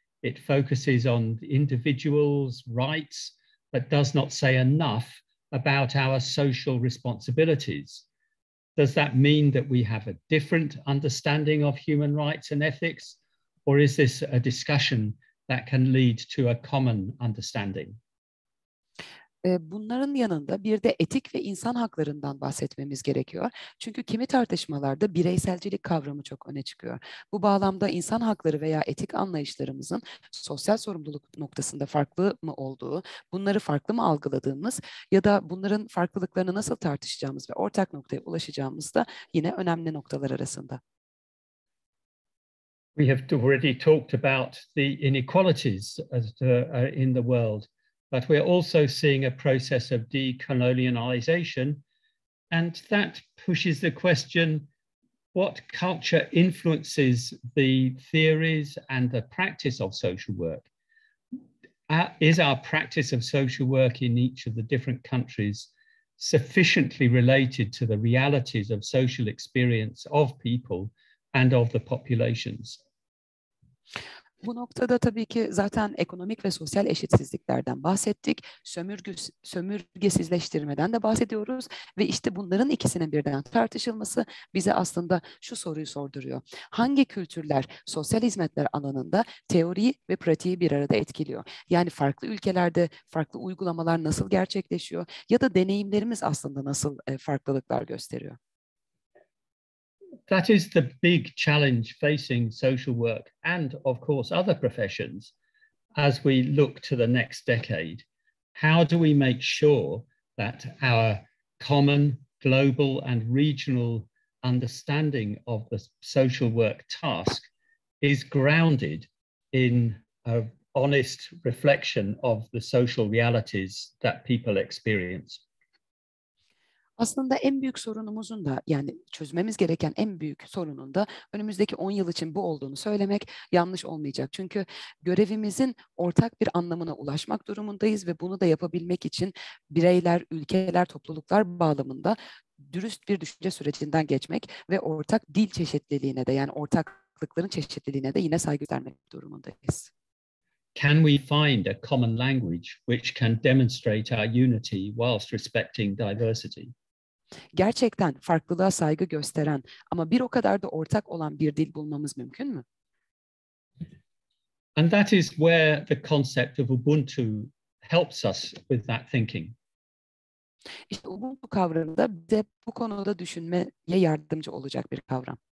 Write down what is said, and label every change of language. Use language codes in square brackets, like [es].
[en] It focuses on individuals' rights, but does not say enough about our social responsibilities. Does that mean that we have a different understanding of human rights and ethics, or is this a discussion that can lead to a common understanding? [tr] Bunların yanında bir de etik ve insan haklarından bahsetmemiz gerekiyor. Çünkü kimi tartışmalarda bireyselcilik kavramı çok öne çıkıyor. Bu bağlamda insan hakları veya etik anlayışlarımızın sosyal sorumluluk noktasında farklı mı olduğu, bunları farklı mı algıladığımız ya da bunların farklılıklarını nasıl tartışacağımız ve ortak noktaya ulaşacağımız da yine önemli noktalar arasında. [en] We have already talked about the inequalities in the world. But we're also seeing a process of decolonialization, and that pushes the question, what culture influences the theories and the practice of social work? Is our practice of social work in each of the different countries sufficiently related to the realities of social experience of people and of the populations? [tr] Bu noktada tabii ki zaten ekonomik ve sosyal eşitsizliklerden bahsettik. Sömürgesizleştirmeden de bahsediyoruz. Ve işte bunların ikisinin birden tartışılması bize aslında şu soruyu sorduruyor. Hangi kültürler sosyal hizmetler alanında teoriyi ve pratiği bir arada etkiliyor? Yani farklı ülkelerde farklı uygulamalar nasıl gerçekleşiyor? Ya da deneyimlerimiz aslında nasıl farklılıklar gösteriyor? [en] That is the big challenge facing social work and, of course, other professions as we look to the next decade. How do we make sure that our common global and regional understanding of the social work task is grounded in an honest reflection of the social realities that people experience? [tr] Aslında en büyük sorunumuzun da yani çözmemiz gereken en büyük sorunun da önümüzdeki 10 yıl için bu olduğunu söylemek yanlış olmayacak. Çünkü görevimizin ortak bir anlamına ulaşmak durumundayız ve bunu da yapabilmek için bireyler, ülkeler, topluluklar bağlamında dürüst bir düşünce sürecinden geçmek ve ortak dil çeşitliliğine de yani ortaklıkların çeşitliliğine de yine saygı göstermek durumundayız. [en] Can we find a common language which can demonstrate our unity whilst respecting diversity? [tr] Gerçekten farklılığa saygı gösteren ama bir o kadar da ortak olan bir dil bulmamız mümkün mü? [en] And that is where the concept of Ubuntu helps us with that thinking. [tr] İşte Ubuntu kavramı da bize bu konuda düşünmeye yardımcı olacak bir kavram.